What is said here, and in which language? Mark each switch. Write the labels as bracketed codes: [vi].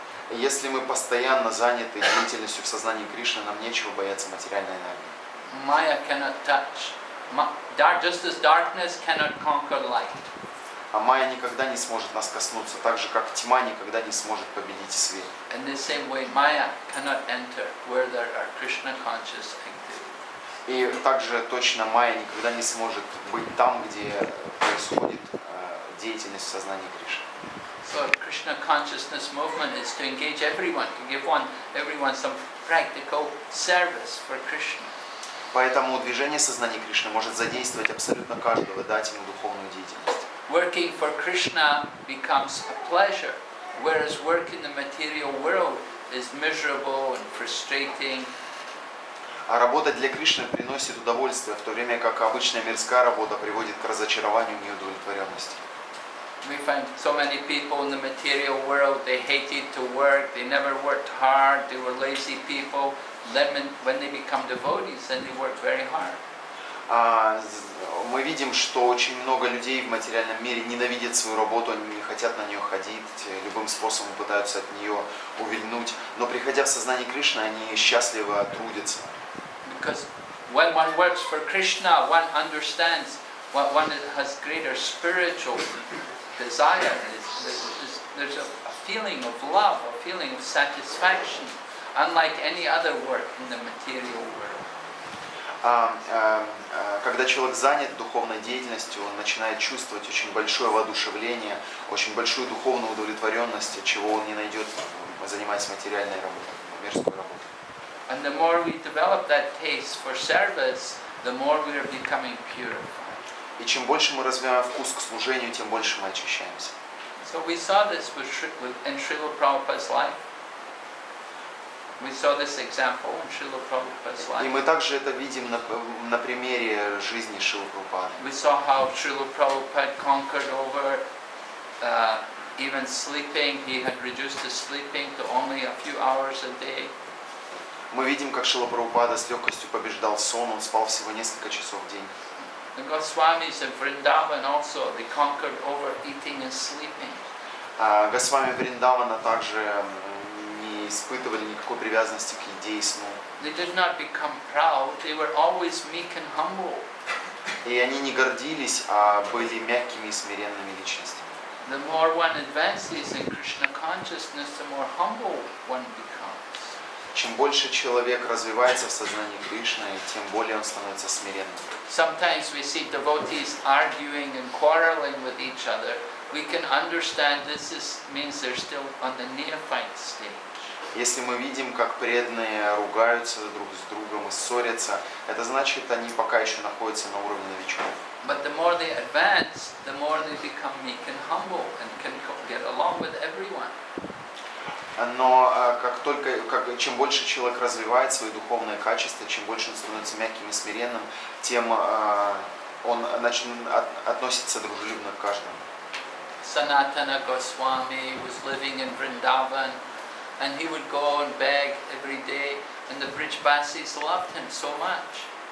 [ru] Если мы постоянно заняты деятельностью в сознании Кришны, нам нечего бояться материальной энергии. [en] Maya cannot touch. Just as darkness cannot conquer light. [ru] А майя никогда не сможет нас коснуться, так же как тьма никогда не сможет победить свет. [en] In the same way, Maya cannot enter where there are Krishna conscious activities. [ru] И также точно майя никогда не сможет быть там, где происходит деятельность в сознании Кришны. [en] So Krishna consciousness movement is to engage everyone, to give everyone some practical service for Krishna. [ru] Поэтому движение сознания Кришны может задействовать абсолютно каждого, дать ему духовную деятельность. [en] Working for Krishna becomes a pleasure, whereas work in the material world is miserable and frustrating. [ru] А работа для Кришны приносит удовольствие, в то время как обычная мирская работа приводит к разочарованию и неудовлетворенности. [en] We find so many people in the material world, they hated to work, they never worked hard, they were lazy people. Then when they become devotees, then they work very hard. [ru] Мы видим, что очень много людей в материальном мире ненавидят свою работу, они не хотят на нее ходить, любым способом пытаются от нее увильнуть. Но приходя в сознание Кришны, они счастливо трудятся. [en] Because when one works for Krishna, one understands what one has greater spiritual desire. There's a feeling of love, a feeling of satisfaction, unlike any other work in the material world. [ru] Когда человек занят духовной деятельностью, он начинает чувствовать очень большое воодушевление, очень большую духовную удовлетворенность, чего он не найдет, занимаясь материальной работой, мирской работой. [en] And the more we develop that taste for service, the more we are becoming pure. [ru] И чем больше мы развиваем вкус к служению, тем больше мы очищаемся. [en] So we saw this in Srila Prabhupada's life. We saw this example in Srila Prabhupada's life. [ru] И мы также это видим на примере жизни Шрилы Прабхупады. [en] We saw how Srila Prabhupada conquered over even sleeping. He had reduced his sleeping to only a few hours a day. [ru] Мы видим, как Шрила Прабхупада с легкостью побеждал сон. Он спал всего несколько часов в день. [en] The Goswamis in Vrindavan also, they conquered over eating and sleeping. [ru] Госвами Вриндавана также не испытывали никакой привязанности к еде и сну. [en] They did not become proud, they were always meek and humble. [ru] И они не гордились, а были мягкими и смиренными личностями. [en] The more one advances in Krishna consciousness, the more humble one becomes. [ru] Чем больше человек развивается в сознании Кришны, тем более он становится смиренным. [en] Sometimes we see devotees arguing and quarreling with each other. We can understand this means they're still on the neophyte stage. [ru] Если мы видим, как преданные ругаются друг с другом и ссорятся, это значит, они пока еще находятся на уровне новичков. [en] But the more they advance, the more they become meek and humble and can get along with everyone. [ru] Но чем больше человек развивает свои духовные качества, чем больше он становится мягким и смиренным, тем он относится дружелюбно к каждому. [en] Sanatana Goswami was living in Vrindavan, and he would go and beg every day, and the Brijbasis loved him so much.